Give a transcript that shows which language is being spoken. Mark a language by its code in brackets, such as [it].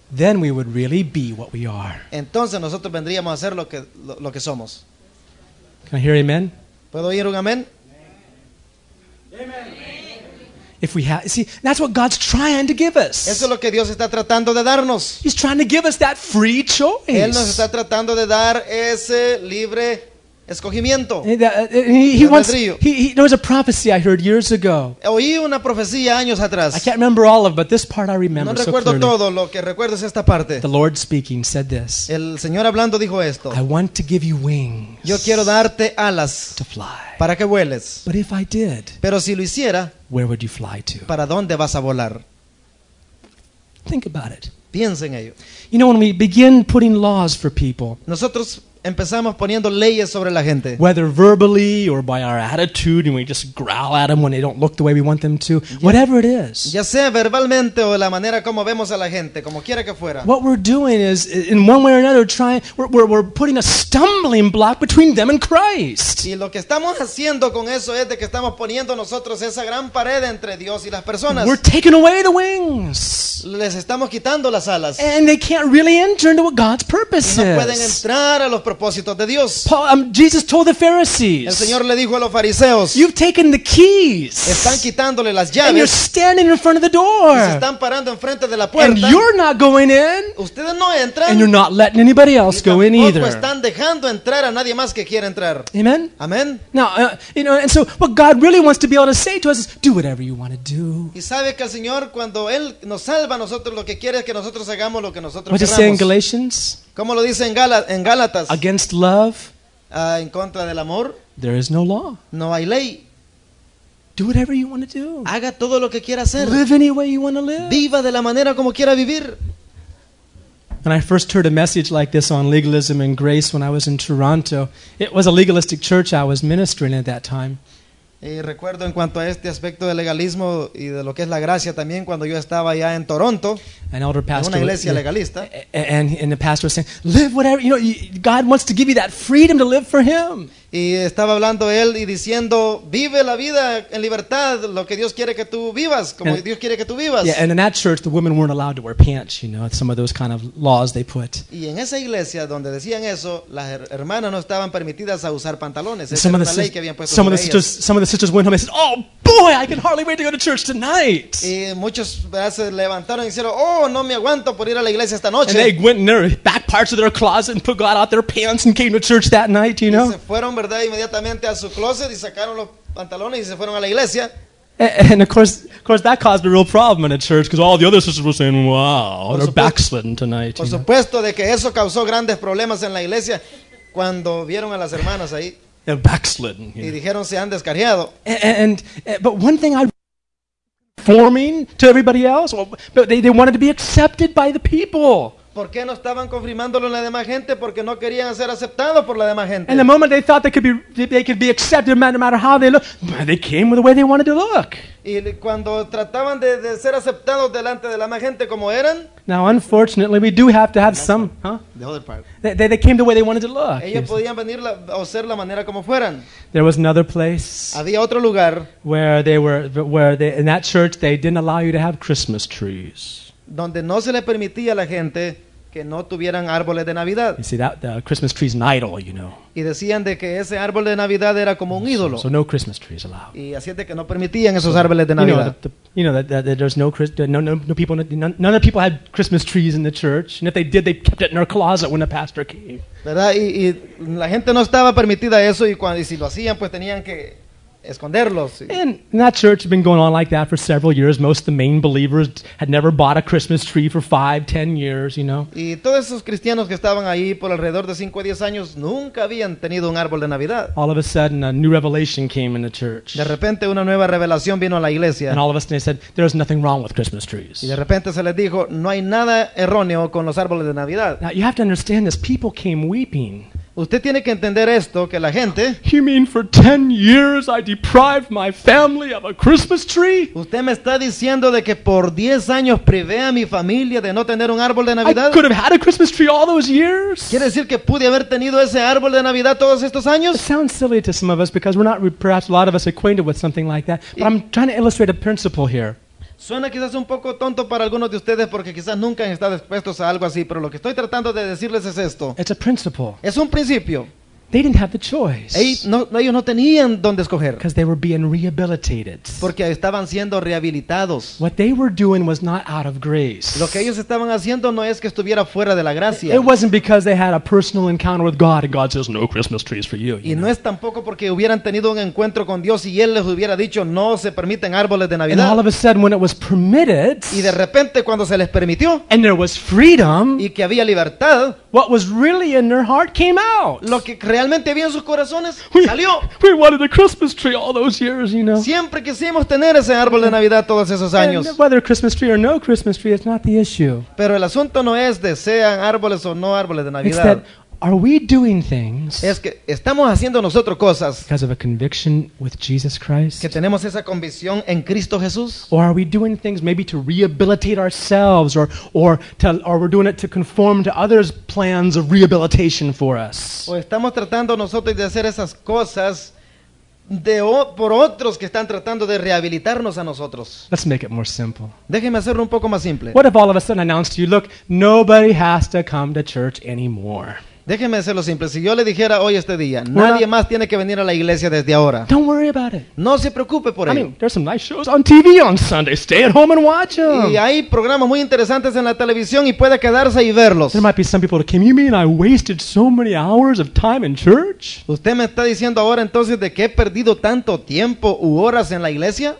[en] then we would really be what we are. [es] Entonces nosotros vendríamos a ser lo que somos. [en] Can I hear amen? [es] ¿Puedo oír un amen? [en] Amen. If we have, see, that's what God's trying to give us. [es] Eso es lo que Dios está tratando de darnos. [en] He's trying to give us that free choice. [es] Él nos está tratando de dar ese libre escogimiento. [en] There was a prophecy I heard years ago. [es] Oí una profecía años atrás. [en] I can't remember all of it, but this part I remember. [es] No recuerdo [en] so clearly. [es] Todo lo que recuerdo es esta parte. [en] The Lord speaking said this. [es] El Señor hablando dijo esto. [en] I want to give you wings. [es] Yo quiero darte alas. [en] To fly. [es] Para que vueles. [en] But if I did. [es] Pero si lo hiciera. [en] Where would you fly to? [es] ¿Para dónde vas a volar? [en] Think about it. [es] Piensa en ello. [en] You know, when we begin putting laws for people. [es] Nosotros empezamos poniendo leyes sobre la gente. [en] Whether verbally or by our attitude, and we just growl at them when they don't look the way we want them to. Yeah. Whatever it is. [es] Ya sea verbalmente o la manera como vemos a la gente, como quiera que fuera. [en] What we're doing is, in one way or another, we're putting a stumbling block between them and Christ. [es] Y lo que estamos haciendo con eso es de que estamos poniendo nosotros esa gran pared entre Dios y las personas. [en] We're taking away the wings. [es] Les estamos quitando las alas. [en] And they can't really enter into what God's purpose [es] is. No pueden entrar a los propósitos de Dios. [en] Jesus told the Pharisees. [es] El Señor le dijo a los fariseos. [en] You've taken the keys. [es] Están quitándole las llaves. [en] And you're standing in front of the door. [es] Se están parando enfrente de la puerta. [en] And you're not going in. [es] Ustedes no entran. [en] And you're not letting anybody else go in either. [es] Tampoco están dejando entrar a nadie más que quiera entrar. [en] Amen. [es] Amen. [en] Now, you know, and so what God really wants to be able to say to us is, do whatever you want to do. [es] Y sabe que el Señor cuando él nos salva a nosotros lo que quiere es que nosotros hagamos lo que nosotros queramos. [en] does it say in Galatians? [es] ¿Cómo lo dice en Gálatas? [en] Against love, [es] en contra del amor, [en] there is no law. [es] No hay ley. [en] Do whatever you want to do. [es] Haga todo lo que quiera hacer. [en] Live any way you want to live. [es] Viva de la manera como quiera vivir. [en] When I first heard a message like this on legalism and grace when I was in Toronto, it was a legalistic church I was ministering at that time. [es] Y recuerdo en cuanto a este aspecto de legalismo y de lo que es la gracia también cuando yo estaba allá en Toronto, [en] an elder pastor, [es] en una iglesia legalista, [en] and the pastor was saying, live whatever, you know, God wants to give you that freedom to live for Him. [es] Y estaba hablando él y diciendo, vive la vida en libertad, lo que Dios quiere que tú vivas, como [en] and, [es] Dios quiere que tú vivas. [en] Yeah, and in that church, the women weren't allowed to wear pants, you know, some of those kind of laws they put. [es] Y en esa iglesia donde decían eso, las hermanas no estaban permitidas a usar pantalones. [en] Some of the [es] ley que habían puesto some sobre ellas. [en] Some of the sisters went home and said, oh boy, I can hardly wait to go to church tonight. [es] Y muchos se levantaron y dijeron, oh, no me aguanto por ir a la iglesia esta noche. [en] And they went in their back parts of their closet and put God out their pants and came to church that night, you know. [es] Y se fueron, ¿verdad?, inmediatamente a su closet y sacaron los pantalones y se fueron a la iglesia. [en] And of course, that caused a real problem in the church because all the other sisters were saying, wow, they're backslidden tonight. [es] Por supuesto, de que eso causó grandes problemas en la iglesia cuando vieron a las hermanas ahí. [en] They're backslidden. [es] Y know. Dijeron, se han descarriado. [en] But one thing I conforming to everybody else, but they wanted to be accepted by the people. [es] ¿Por qué no estaban confirmándolo en la demás gente? Porque no querían ser aceptados por la demás gente. [en] And the moment they thought they could be accepted no matter how they looked, they came with the way they wanted to look. [es] Y cuando trataban de ser aceptados delante de la demás gente como eran. [en] Now, unfortunately, we do have to have some, huh? The other part. They came the way they wanted to look. [es] Ellos podían venir o ser la manera como fueran. [en] There was another place. [es] Había otro lugar. [en] Where they, in that church, they didn't allow you to have Christmas trees. [es] Donde no se le permitía a la gente que no tuvieran árboles de Navidad. [en] You see, that the Christmas tree is an idol, you know. [es] Y decían de que ese árbol de Navidad era como un ídolo. [en] So no Christmas trees allowed. [es] Y así es de que no permitían esos árboles de Navidad. [en] None of the people had Christmas trees in the church, and if they did, they kept it in their closet when the pastor came. [es] ¿Verdad? Y la gente no estaba permitida eso, y si lo hacían, pues tenían que esconderlos. [en] And that church had been going on like that for several years. Most of the main believers had never bought a Christmas tree for 5-10 years, you know. [es] Y todos esos cristianos que estaban ahí por alrededor de 5-10 años nunca habían tenido un árbol de Navidad. [en] All of a sudden, a new revelation came in the church. [es] De repente, una nueva revelación vino a la iglesia. [en] And all of a sudden, they said, "There is nothing wrong with Christmas trees." [es] Y de repente se les dijo, no hay nada erróneo con los árboles de Navidad. [en] Now you have to understand this. People came weeping. [es] Usted tiene que entender esto, que la gente... [en] You mean for 10 years I deprived my family of a Christmas tree? [es] Usted me está diciendo de que por 10 años privé a mi familia de no tener un árbol de Navidad? [en] I could have had a Christmas tree all those years. [es] ¿Quiere decir que pude haber tenido ese árbol de Navidad todos estos años? [en] It sounds silly to some of us because we're not perhaps a lot of us acquainted with something like that. But I'm trying to illustrate a principle here. [es] Suena quizás un poco tonto para algunos de ustedes porque quizás nunca han estado expuestos a algo así, pero lo que estoy tratando de decirles es esto. [en] It's a principle. [es] Es un principio. [en] They didn't have the choice. [es] Ellos no tenían dónde escoger. [en] Because they were being rehabilitated. [es] Porque estaban siendo rehabilitados. [en] What they were doing was not out of grace. [es] Lo que ellos estaban haciendo no es que estuviera fuera de la gracia. [en] It wasn't because they had a personal encounter with God and God says no Christmas trees for you. [es] Y no es tampoco porque hubieran tenido un encuentro con Dios y él les hubiera dicho no se permiten árboles de Navidad. [en] And all of a sudden when it was permitted. [es] Y de repente cuando se les permitió. [en] And there was freedom. [es] Y que había libertad. [en] What was really in their heart came out. [es] Lo que realmente había en sus corazones salió. [en] We wanted a Christmas tree all those years, you know. [es] Siempre quisimos tener ese árbol de Navidad todos esos años. [en] And whether Christmas tree or no Christmas tree, it's not the issue. [es] Pero el asunto no es de sean árboles o no árboles de Navidad. [en] It's that, are we doing things? [es] Es que estamos haciendo nosotros cosas. [en] Because of a conviction with Jesus Christ. [es] Que tenemos esa convicción en Cristo Jesús. [en] Or are we doing things maybe to rehabilitate ourselves, or we're doing it to conform to others' plans of rehabilitation for us? [es] O estamos tratando nosotros de hacer esas cosas por otros que están tratando de rehabilitarnos a nosotros. [en] Let's make it more simple. [es] Déjeme hacerlo un poco más simple. [en] What if all of a sudden I announced to you, look, nobody has to come to church anymore? [es] Déjeme hacerlo simple. Si yo le dijera hoy este día, nadie más tiene que venir a la iglesia desde ahora. [en] Don't worry about it. [es] No se preocupe por [en] ello. I mean, there's some nice shows on TV on Sunday. Stay at home and watch them. [es] Y hay programas muy interesantes en la televisión y puede quedarse y verlos. [en] There might be some people, can you mean I wasted so many hours of time in church? [es] ¿Usted me está diciendo ahora entonces de que he perdido tanto tiempo u horas en la iglesia?